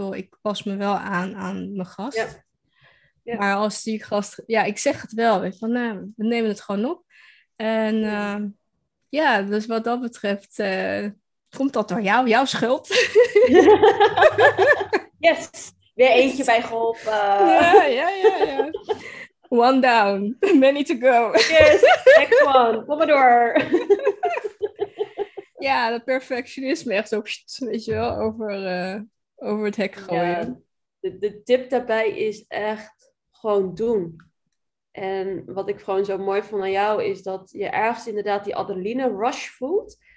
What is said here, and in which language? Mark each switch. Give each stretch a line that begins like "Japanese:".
Dutch: Ik pas me wel aan mijn gast. Ja. Ja. Maar als die gast, ja, ik zeg het wel. Weet je, van, we nemen het gewoon op. En ja, dus wat dat betreft, komt dat door jou, jouw schuld? Yes, weer eentje bij geholpen.
English: Ja. One down, many to go. Yes, next one,
Dutch: kom maar door. Ja, dat perfectionisme echt ook, weet je wel, over het hek gooien. Ja, de tip daarbij is echt gewoon doen. En wat ik gewoon zo mooi vond aan jou is dat je ergens inderdaad die adrenaline rush voelt.